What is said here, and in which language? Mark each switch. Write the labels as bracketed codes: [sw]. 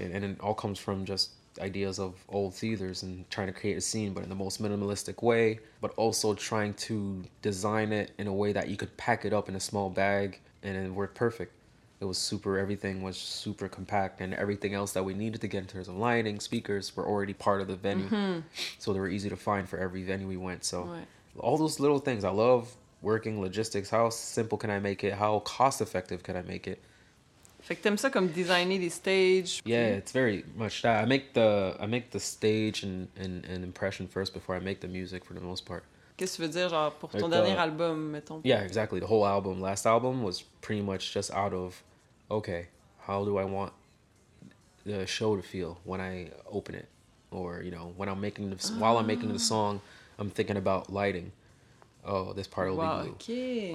[en] And it all comes from just ideas of old theaters and trying to create a scene, but in the most minimalistic way, but also trying to design it in a way that you could pack it up in a small bag and it worked perfect. It was super, everything was super compact and everything else that we needed to get in terms of lighting, speakers were already part of the venue. Mm-hmm. So they were easy to find for every venue we went. So what? All those little things, I love working logistics. How simple can I make it? How cost effective can I make it? [fr] Fait que t'aimes ça comme designer des stages. [en] Yeah, it's very much that. I make the stage and impression first before I make the music for the most part. [fr] Qu'est-ce que tu veux dire, genre, pour ton dernier album, mettons? [en] Yeah, exactly. The whole album, last album, was pretty much just out of, okay, how do I want the show to feel when I open it? Or, you know, when I'm making the, while I'm making the song, I'm thinking about lighting. Oh, this part will be blue. Okay.